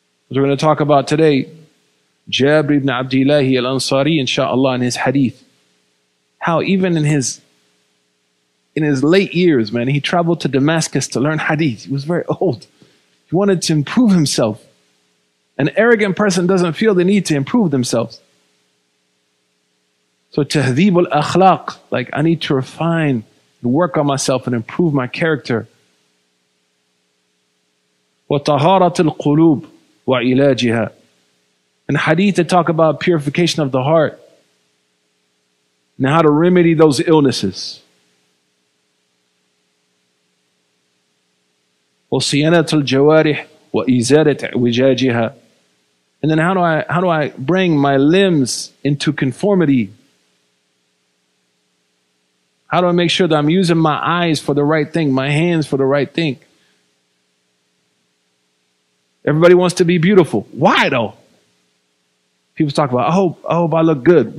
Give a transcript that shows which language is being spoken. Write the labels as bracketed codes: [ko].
[en] As we're going to talk about today, Jabir ibn Abdillah al-Ansari, inshallah, in his hadith, how even in his late years, man, he traveled to Damascus to learn hadith. He was very old. He wanted to improve himself. An arrogant person doesn't feel the need to improve themselves. So tahdhib al-akhlaq, like I need to refine and work on myself and improve my character. [ar] وطهارات القلوب وعلاجها. [en] And hadith to talk about purification of the heart and how to remedy those illnesses. [ar] وصيانة الجوارح وإزالة وجاجها. [en] And then how do I bring my limbs into conformity? How do I make sure that I'm using my eyes for the right thing, my hands for the right thing? Everybody wants to be beautiful. Why though? People talk about, I hope I look good.